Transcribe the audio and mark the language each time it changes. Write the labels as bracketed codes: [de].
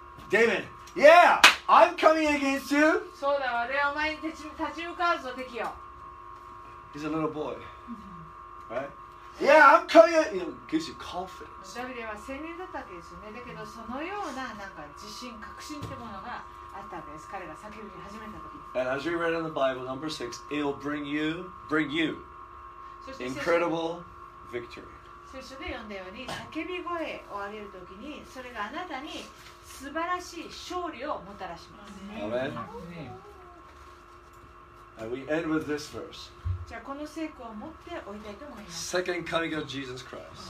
[en] デイビッド、Yeah! I'm coming against you! [ja] そうだ、俺はお前に立ち向かうぞ、敵よ。 [en] He's a little boy. Right? Yeah, I'm coming against you! Gives you confidence. [ja] ダビデは青年だったわけですよね。だけど、そのような、なんか自信、確信ってものがあったんです。彼が叫び始めたとき。 [en] And as we read in the Bible, number 6, it'll bring you incredible victory. [ja] 聖書で読んだように、叫び声を上げるときに、それがあなたに素晴らしい勝利をもたらします。 [en] Amen. And we end with this verse. [ja] じゃあこの聖句を持っておいたいと思います。 [en] Second coming of Jesus Christ.